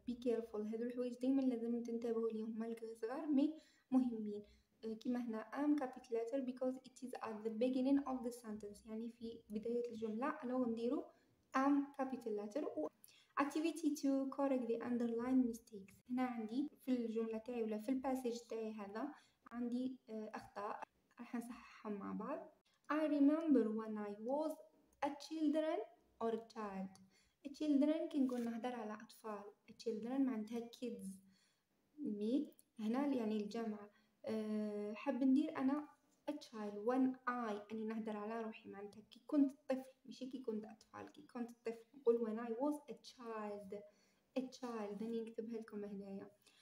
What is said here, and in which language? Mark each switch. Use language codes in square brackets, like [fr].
[ar] بي كيرفول هذو الحوايج دائما لازم تنتبهوا ليهم مالك صغار مي مهمين كما هنا [en] am capital letter because it is at the beginning of the sentence [ar] يعني في بداية الجملة لو نديرو [en] am capital letter. Activity 2 correct the underlined mistakes. [ar] هنا عندي في الجملة تاعي ولا في الباسج تاعي هذا عندي أخطاء رح نصححهم مع بعض. [en] I remember when I was a children or a child. A children [ar] كنقول نهضر على أطفال. [en] A children معناتها kids. [ar] مي هنا يعني الجمع حاب ندير انا [en] a child when I [ar] اني نهدر على روحي معناتها كي كنت طفل مش كي كنت اطفال كي كنت طفل نقول [en] when I was a child [ar] اني نكتبها لكم هنايا.